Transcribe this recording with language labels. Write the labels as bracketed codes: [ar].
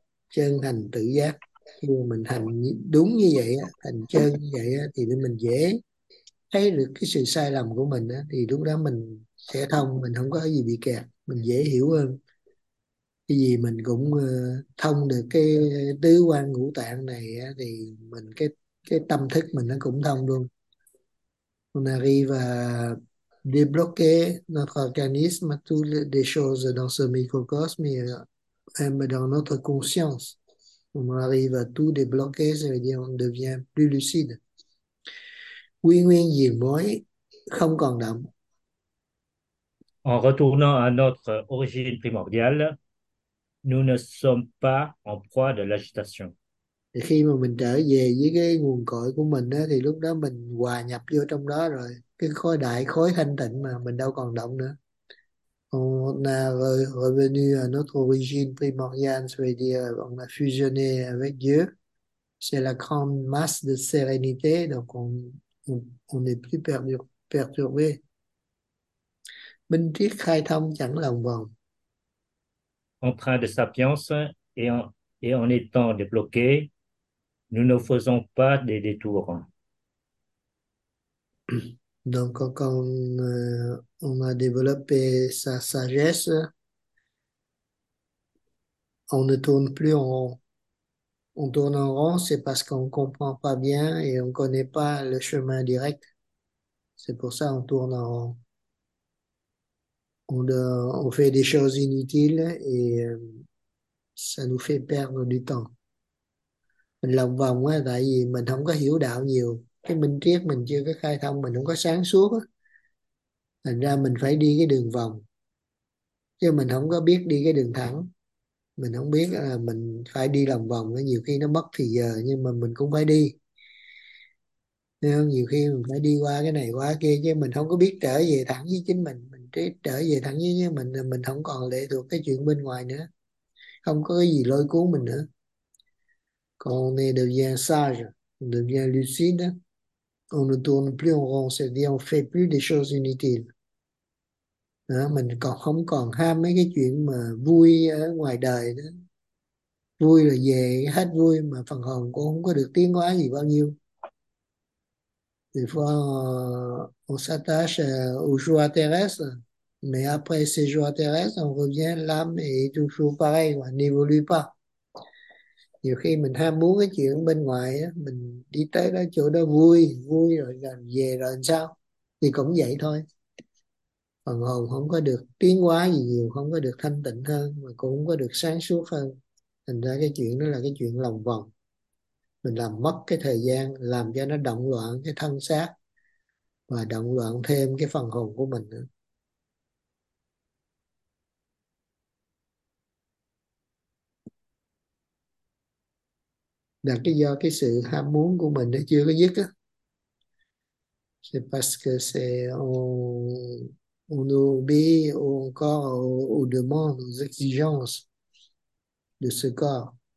[vi] Chân hành tự giác, khi mình hành đúng như vậy, hành chân như vậy thì mình dễ thấy được cái sự sai lầm của mình, thì lúc đó mình sẽ thông, mình không có gì bị kẹt, mình dễ hiểu hơn. Cái gì mình cũng thông được cái tứ quan ngũ tạng này á, thì mình cái tâm thức mình nó cũng thông luôn. [fr] On arrive à débloquer notre organisme, toutes les choses dans ce microcosme et même dans notre conscience. On arrive à tout débloquer, ça veut dire on devient plus lucide. [vi] Quy nguyên diền mới, không còn động. [fr] En retournant à notre origine primordiale, nous ne sommes pas en proie de l'agitation. [vi] Thì khi mà mình trở về với cái nguồn cội của mình á, thì lúc đó mình hòa nhập vô trong đó rồi. Cái khối đại khối thanh tịnh mà mình đâu còn động nữa. [fr] On a revenu à notre origine primordiale, c'est-à-dire on a fusionné avec Dieu. C'est la grande masse de sérénité, donc on n'est plus perturbé. [vi] Mình triết khai thông chẳng lòng vòng. [fr] En train de sapience et en étant débloqué, nous ne faisons pas des détours. Donc, on a développé sa sagesse, on ne tourne plus en rond. On tourne en rond, c'est parce qu'on ne comprend pas bien et on ne connaît pas le chemin direct. C'est pour ça qu'on tourne en rond. On fait des choses inutiles et ça nous fait perdre du temps. [vi] Mình lòng vòng á, tại vì mình không có hiểu đạo nhiều. Cái minh triết mình chưa có khai thông, mình không có sáng suốt á, thành ra mình phải đi cái đường vòng, chứ mình không có biết đi cái đường thẳng. Mình không biết là mình phải đi lòng vòng, nhiều khi nó mất thì giờ nhưng mà mình cũng phải đi. Nhiều khi mình phải đi qua cái này qua cái kia, chứ mình không có biết trở về thẳng với chính mình. Mình trở về thẳng với mình không còn lệ thuộc cái chuyện bên ngoài nữa, không có cái gì lôi cuốn mình nữa. Còn này được gian sage, được gian lucide đó. [fr] On ne tourne plus en rond, c'est-à-dire on fait plus des choses inutiles. [vi] Đó, mình còn không còn ham mấy cái chuyện mà vui ở ngoài đời nữa. Vui là về hết vui mà phần hồn cũng không có được tiến hóa gì bao nhiêu. [fr] Des fois, on s'attache aux joies terrestres, mais après ces joies terrestres, on revient, l'âme est toujours pareil, on n'évolue pas. [vi] Nhiều khi mình ham muốn cái chuyện bên ngoài á, mình đi tới đó chỗ đó vui vui rồi về rồi làm sao thì cũng vậy thôi, phần hồn không có được tiến hóa gì nhiều, không có được thanh tịnh hơn mà cũng không có được sáng suốt hơn. Thành ra cái chuyện đó là cái chuyện lòng vòng, mình làm mất cái thời gian, làm cho nó động loạn cái thân xác và động loạn thêm cái phần hồn của mình nữa. Là cái do cái sự ham muốn của mình nó chưa có dứt á. [fr] C'est parce que on oublie encore aux demandes, aux exigences de ce corps.